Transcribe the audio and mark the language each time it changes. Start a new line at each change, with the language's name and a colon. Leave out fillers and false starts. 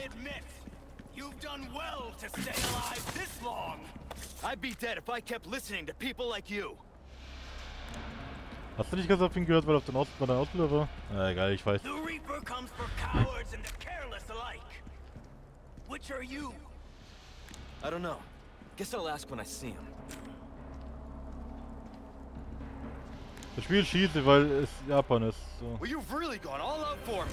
English: I admit, you've done well to stay alive this long! I'd be dead if I kept listening to people like you.
German: Hast du nicht ganz auf ihn gehört, weil auf den Osten war der Auslöser? Egal, ich weiß.
English: The Reaper comes for cowards and the careless alike. Which are you? I don't know. Guess I'll ask when I see him.
German: Das Spiel schießt, weil es Japan ist. So.
English: Well, you've really gone all out for me.